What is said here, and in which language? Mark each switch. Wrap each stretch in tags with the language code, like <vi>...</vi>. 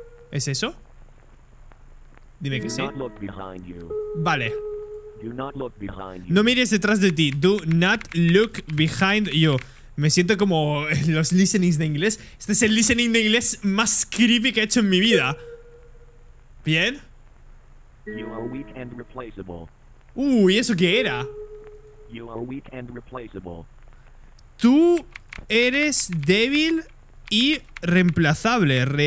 <es>¿Es eso? Dime que sí.</es> <en>Do not look behind you.</en> <es>Vale.</es> <en>Do not look behind you.</en> <es>No mires detrás de ti.</es> <en>Do not look behind you.</en> <es>Me siento como los listenings de inglés. Este es el listening de inglés más creepy que he hecho en mi vida. ¿Bien?</es> <en>You are weak and replaceable.</en> <es>¿Y eso qué era?</es> <en>You are weak and replaceable.</en> <es>Tú eres débil y reemplazable.</es>